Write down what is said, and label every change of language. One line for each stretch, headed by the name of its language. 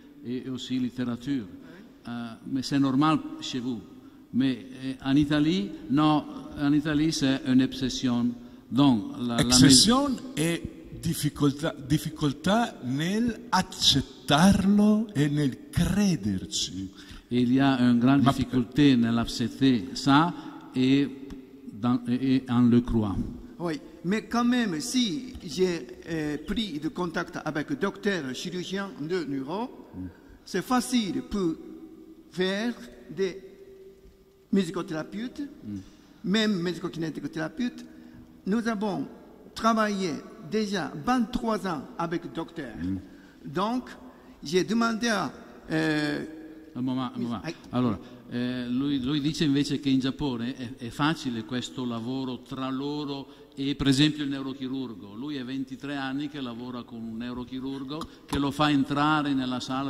French: et aussi littérature. Mais c'est normal chez vous. Mais en Italie, non, en Italie c'est une obsession. Donc, l'obsession est difficulté
Italian: nel accettarlo e nel crederci.
French: Il y a une grande difficulté
Italian: nell'accettare
French: ça et en le croire. Oui, mais quand même, si j'ai pris de contact avec docteur chirurgien de neuro, c'est facile pour faire des musicothérapeutes, même musicokinétothérapeutes. Nous avons travaillé déjà 23 ans avec le docteur. Donc, j'ai demandé à... Un moment.
Italian: Alors, lui dice invece che in Giappone è facile questo lavoro tra loro e per esempio il neurochirurgo. Lui è 23 anni che lavora con un neurochirurgo che lo fa entrare nella sala.